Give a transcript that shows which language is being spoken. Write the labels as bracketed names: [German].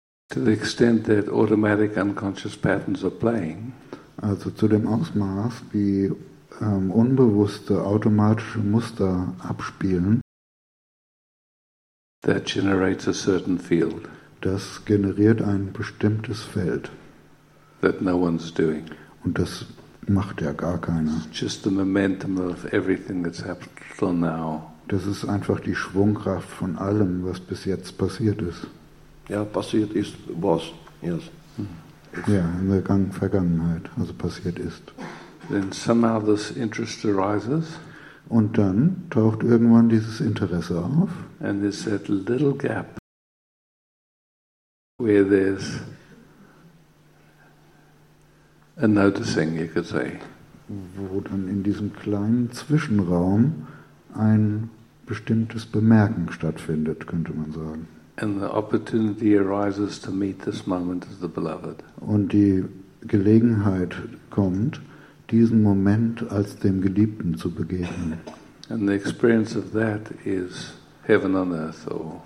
[English] To the extent that automatic unconscious patterns are playing. [German] Also zu dem Ausmaß, wie unbewusste automatische Muster abspielen. [English] That generates a certain field. [German] Das generiert ein bestimmtes Feld. [English] That no one's doing. [German] Und das macht ja gar keiner. [English] It's just the momentum of everything that's happened till now. [German] Das ist einfach die Schwungkraft von allem, was bis jetzt passiert ist. Ja, passiert ist, was, yes. [English] Yeah, in the [German] Vergangenheit, also passiert ist. [English] Then somehow this interest arises. [German] Und dann taucht irgendwann dieses Interesse auf. [English] And there's that little gap where there's a noticing, you could say. [German] Wo dann in diesem kleinen Zwischenraum ein bestimmtes Bemerken stattfindet, könnte man sagen. [English] And the opportunity arises to meet this moment of the beloved. [German] Und die Gelegenheit kommt, diesen Moment als dem Geliebten zu begegnen. [English] And the experience of that is heaven on earth or